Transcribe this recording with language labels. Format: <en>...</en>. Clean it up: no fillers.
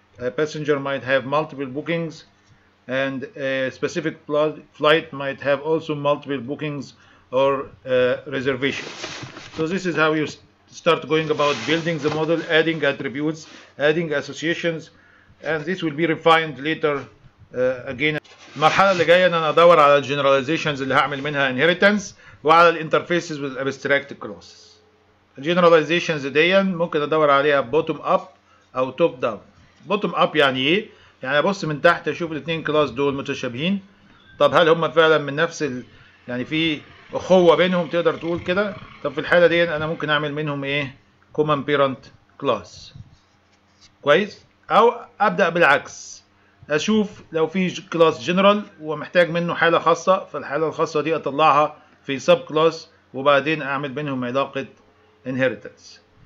<en>A passenger might have multiple bookings and a specific flight might have also multiple bookings or reservations. So this is how you start going about building the model, adding attributes, adding associations, and this will be refined later again.</en> <ar>المرحلة اللي جاية أنا أدور على generalizations اللي هعمل منها inheritance وعلى</ar> <en>interfaces with abstract clauses.</en> <ar>Generalizations دي ممكن أدور عليها bottom up أو top down. Bottom up يعني إيه؟ يعني أبص من تحت أشوف الاثنين كلاس دول متشابهين. طب هل هم فعلا من نفس يعني في أخوة بينهم تقدر تقول كده؟ طب في الحالة دي أنا ممكن أعمل منهم إيه؟ common parent class. كويس؟ أو أبدأ بالعكس. أشوف لو في class general ومحتاج منه حالة خاصة فالحالة الخاصة دي أطلعها في sub class وبعدين أعمل بينهم علاقة inheritance.</ar>